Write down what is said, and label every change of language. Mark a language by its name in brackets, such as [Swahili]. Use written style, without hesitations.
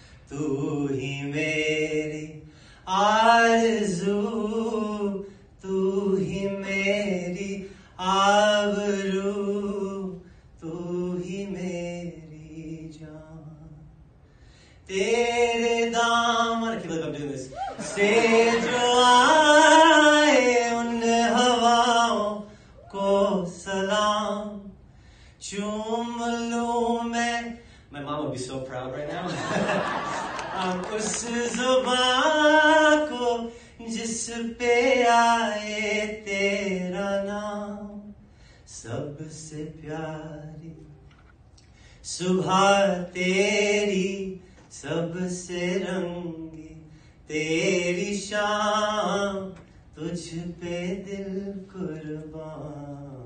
[Hindi] तू ही मेरी आरज़ू, तू ही मेरी आबरू, तू ही मेरी जान, तेरे दाम और खिलक अब दिन से जो आए उन हवाओं को सलाम, चूम लूं मैं. [English] My mom would be so proud right now. [Hindi] उस ज़ुबान को जिस पे आए तेरा नाम, सबसे प्यारी सुबह तेरी, सबसे रंगी तेरी शाम, तुझ पे दिल कुर्बान.